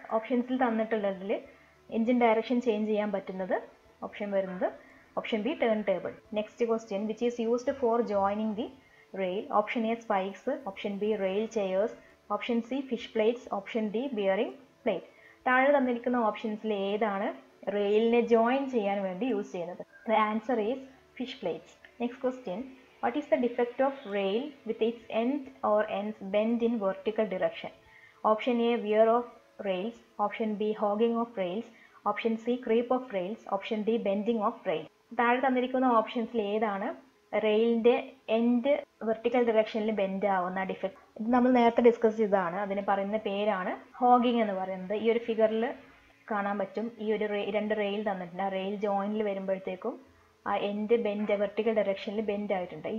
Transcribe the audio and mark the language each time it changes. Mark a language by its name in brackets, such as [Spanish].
[Malayalam] ഓപ്ഷൻസിൽ തന്നിട്ടുള്ളതിൽ engine direction change ചെയ്യാൻ പറ്റുന്നത് option വരുന്നത് option B turn table. [English] Next question, which is used for joining the rail? Option A spikes, option B rail chairs, option C fish plates, option D bearing plate. [Malayalam] താഴെ തന്നിരിക്കുന്ന ഓപ്ഷൻസിൽ ഏതാണ് റെയിലിനെ join ചെയ്യാൻ വേണ്ടി use ചെയ്യുന്നത്? [English] The answer is fish plates. Next question. What is the defect of rail with its end or ends bent in vertical direction? Option A, wear of rails. Option B, hogging of rails. Option C, creep of rails. Option D, bending of rails. [Malayalam] താഴെ തന്നിരിക്കുന്ന ഓപ്ഷൻസിൽ ഏതാണ് റെയിലിൻ്റെ end vertical ഡയറക്ഷനിൽ bend ആവുന്ന defect? ഇത് നമ്മൾ നേരത്തെ discuss ചെയ്തതാണ്. അതിന് പറയുന്ന പേരാണ് ഹോഗിങ് എന്ന് പറയുന്നത്. ഈ ഒരു ഫിഗറിൽ കാണാൻ പറ്റും, ഈ ഒരു രണ്ട് റെയിൽ തന്നിട്ടുണ്ട്. ആ റെയിൽ ജോയിനിൽ വരുമ്പോഴത്തേക്കും ആ എൻഡ് ബെൻഡ് വെർട്ടിക്കൽ ഡയറക്ഷനിൽ ബെൻഡ് ആയിട്ടുണ്ട്.